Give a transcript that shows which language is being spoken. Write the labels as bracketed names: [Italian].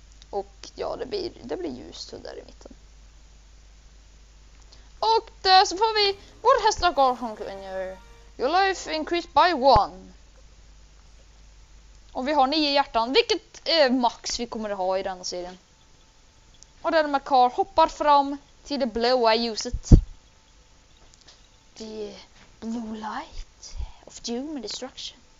[Swedish] Och ja, det blir ljust där i mitten. Och där så får vi vår häst och gårdshunkunger. [English] Your life increased by one. [Swedish] Och vi har 9 hjärtan, vilket är max vi kommer att ha i denna serien. Och där med Carl hoppar fram till det blåa ljuset. [English] The blue light of doom and destruction.